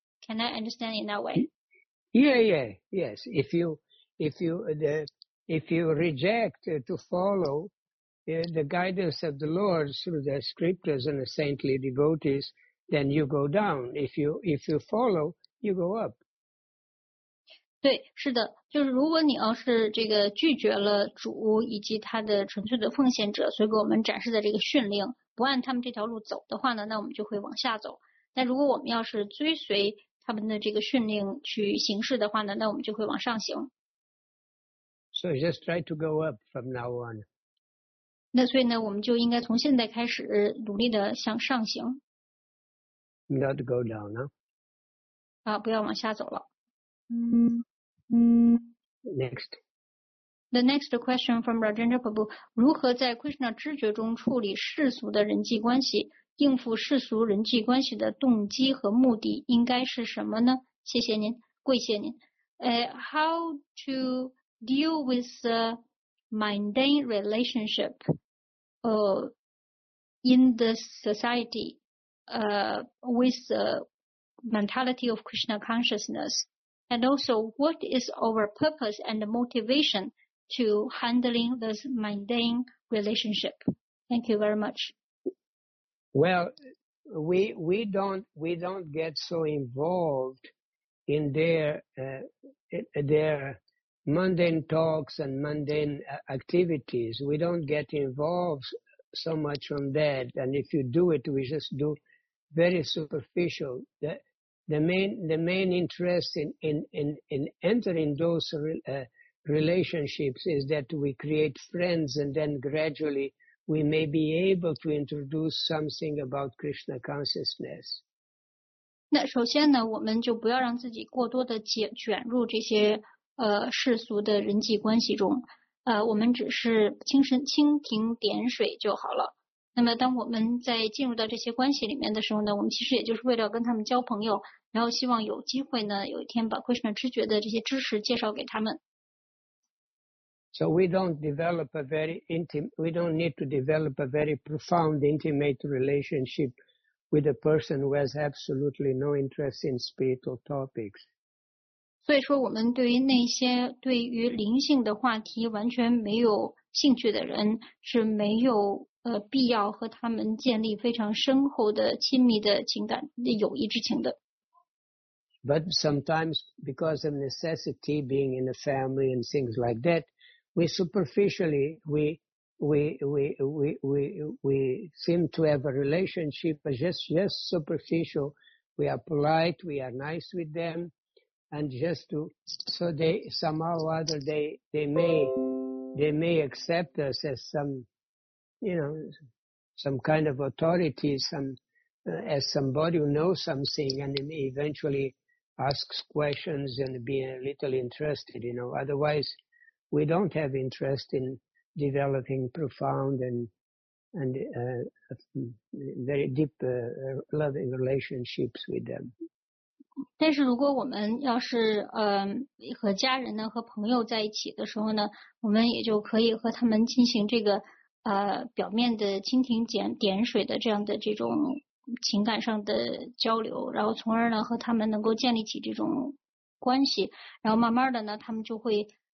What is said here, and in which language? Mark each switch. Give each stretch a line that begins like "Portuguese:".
English: Can I understand in that way? Yes. If you reject to follow the guidance of the Lord through the scriptures and the saintly devotees, then you go down. If you follow, you go up.
Chinese: 对，是的，就是如果你要是这个拒绝了主以及他的纯粹的奉献者所以给我们展示的这个训令，不按他们这条路走的话呢，那我们就会往下走。但如果我们要是追随他们的这个训令去行事的话呢，那我们就会往上行。
English: So just try to go up from now on.
Chinese: 那所以呢，我们就应该从现在开始努力的向上行。
English: Not go down, huh?
Chinese: 啊，不要往下走了。
English: Next. The next question from Rajendra Prabhu:
Chinese: 如何在 Krishna 知觉中处理世俗的人际关系？应付世俗人际关系的动机和目的应该是什么呢？谢谢您，跪谢您。
English: How to deal with the mundane relationship in the society with the mentality of Krishna consciousness? And also, what is our purpose and motivation to handling this mundane relationship? Thank you very much. Well, we don't get so involved in their mundane talks and mundane activities. We don't get involved so much on that. And if you do it, we just do very superficial. The main interest in entering those relationships is that we create friends and then gradually. We may be able to introduce something about Krishna consciousness.
Chinese: 那首先呢，我们就不要让自己过多的卷入这些世俗的人际关系中，我们只是蜻蜓点水就好了。那么，当我们在进入到这些关系里面的时候呢，我们其实也就是为了跟他们交朋友，然后希望有机会呢，有一天把 Krishna 知觉的这些知识介绍给他们。
English: So we don't develop a very intimate, we don't need to develop a very profound intimate relationship with a person who has absolutely no interest in spiritual topics.
Chinese: 所以说我们对于那些对于灵性的话题完全没有兴趣的人是没有必要和他们建立非常深厚的亲密的情感的友谊之情的。
English: But sometimes because of necessity being in a family and things like that, we superficially, we seem to have a relationship, but just superficial. We are polite, we are nice with them, and just to, so they, somehow or other, they may accept us as some, you know, some kind of authority, as somebody who knows something, and they may eventually ask questions and be a little interested, you know. Otherwise, we don't have interest in developing profound very deep loving relationships with them.
Chinese: 但是如果我们要是和家人呢和朋友在一起的时候呢，我们也就可以和他们进行这个表面的蜻蜓点水的这样的这种情感上的交流，然后从而呢和他们能够建立起这种关系，然后慢慢的呢他们就会